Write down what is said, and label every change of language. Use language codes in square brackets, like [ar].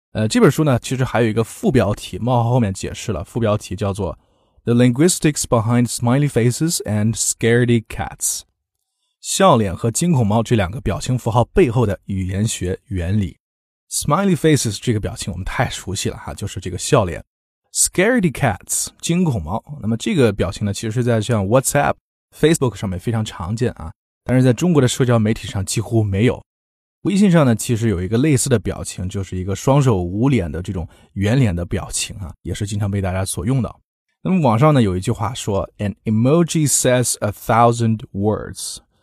[zh] 这本书呢其实还有一个副标题，冒号后面解释了，副标题叫做 The Linguistics Behind Smiley Faces and Scaredy Cats。笑脸和惊恐猫这两个表情符号背后的语言学原理。 Smiley faces 这个表情我们太熟悉了哈，就是这个笑脸。 [en] Scaredy cats, 惊恐猫。 [zh] 那么这个表情呢，其实在像 WhatsApp, Facebook 上面非常常见啊，但是在中国的社交媒体上几乎没有。微信上呢，其实有一个类似的表情，就是一个双手捂脸的这种圆脸的表情啊，也是经常被大家所用的。那么网上呢，有一句话说 , An emoji says 1,000 words.